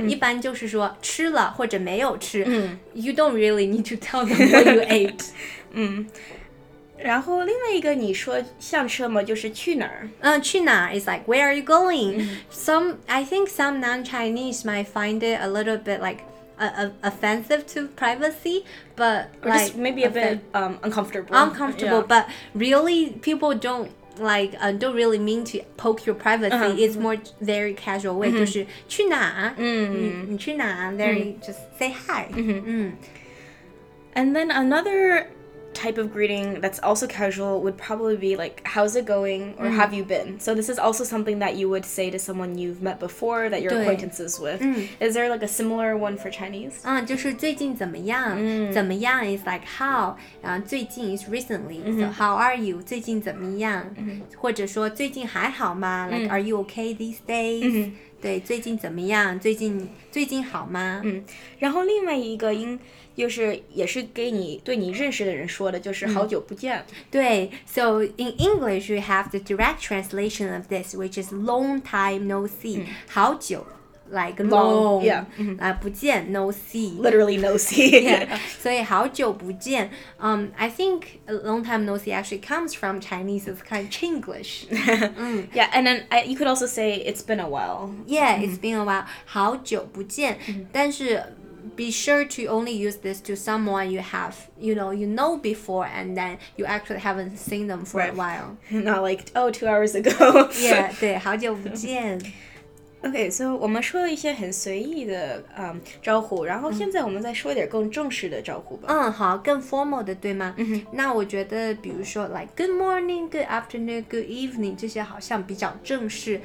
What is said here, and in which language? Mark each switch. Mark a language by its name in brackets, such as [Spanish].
[Chinese] 一般就是说吃了或者没有吃。 [English] You don't really need to tell them what you ate. [Chinese] 然后另外一个你说像什么就是去哪儿。去哪儿 [English] is like, where are you going? I think some non-Chinese might find it a little bit like offensive to privacy, but like, just maybe a bit uncomfortable. Uncomfortable, yeah. But really people don't. Like, don't really mean to poke your privacy. It's more very casual way. [Chinese] 就是去哪儿?你去哪儿? [English] Very, just say hi. And then another type of greeting that's also casual would probably be like, how's it going? Or have you been? So this is also something that you would say to someone you've met before that you're acquaintances with. Is there like a similar one for Chinese? [Chinese] 就是最近怎么样?怎么样 [English] is like how. 最近 is recently. So how are you? [Chinese] 最近怎么样? 或者说最近还好吗? [English] Like, are you okay these days? [Chinese] 对,最近怎么样?最近好吗? 然后另外一个就是也是给你对你认识的人说的就是好久不见。 [English] 对, so in English we have the direct translation of this, which is long time no see. [Chinese] 好久 [English] like long, yeah. [Chinese] 不见 [English] no see. Literally no see. Yeah. [Chinese] 所以好久不见 [English] I think long time no see actually comes from Chinese, it's kind of Chinglish. Yeah, and then you could also say it's been a while. Yeah, it's been a while. [Chinese] 好久不见 但是 [English] be sure to only use this to someone you have, you know before, and then you actually haven't seen them for a while. Not like, oh, 2 hours ago. [Chinese] Yeah, 对，好久不见。 Okay, so 我们说了一些很随意的招呼，然后现在我们再说一点更正式的招呼吧。嗯，好，更 formal 的，对吗？嗯哼。那我觉得比如说 [English] like good morning, good afternoon, good evening, [Chinese] 这些好像比较正式。